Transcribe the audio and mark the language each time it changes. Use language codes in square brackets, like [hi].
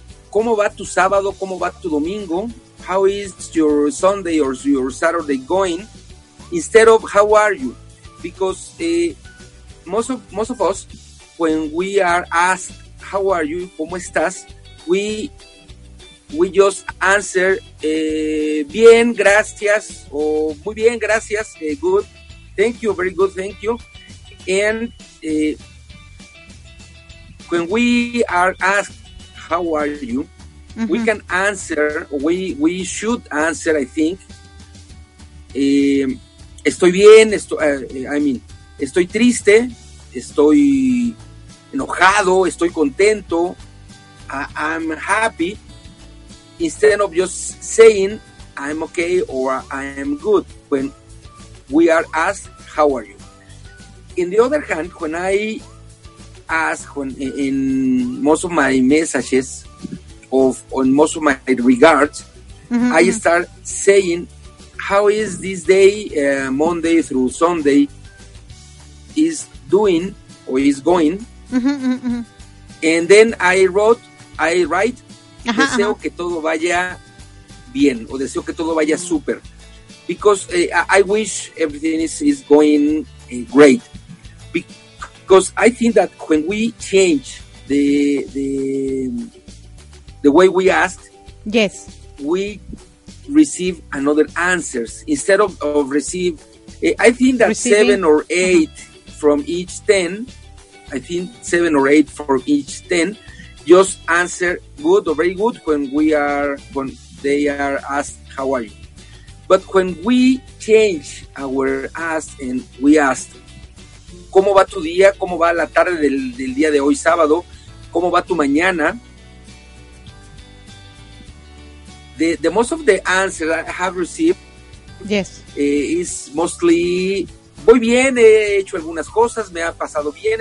[es] ¿Cómo va tu sábado? ¿Cómo va tu domingo? [en] How is your Sunday or your Saturday going? Instead of, how are you? Because most of us, when we are asked, how are you? [es] ¿Cómo estás? [en] We just answer, [es] bien, gracias, o muy bien, gracias, [en] good. Thank you, very good, thank you. And when we are asked, how are you? Mm-hmm. We can answer, we should answer, I think. [es] Estoy bien, estoy triste, estoy enojado, estoy contento, [en] I'm happy. Instead of just saying, I'm okay or I'm good, when we are asked, how are you? In the other hand, when I ask in most of my messages or most of my regards, mm-hmm. I start saying, how is this day, Monday through Sunday, is doing or is going? Mm-hmm. And then I write, uh-huh, [es] deseo [en] uh-huh. [es] que todo vaya bien, o deseo que todo vaya super. [en] Because I wish everything is going great. Because I think that when we change the way we ask, yes, we receive another answers. Instead of receive, I think that receiving 7 or 8 uh-huh. from each 10, I think 7 or 8 from each 10, just answer good or very good when they are asked, how are you? But when we change our ask and we ask, [es] ¿cómo va tu día? ¿Cómo va la tarde del día de hoy, sábado? ¿Cómo va tu mañana? [en] The most of the answers I have received, yes, is mostly, [es] voy bien, he hecho algunas cosas, me ha pasado bien.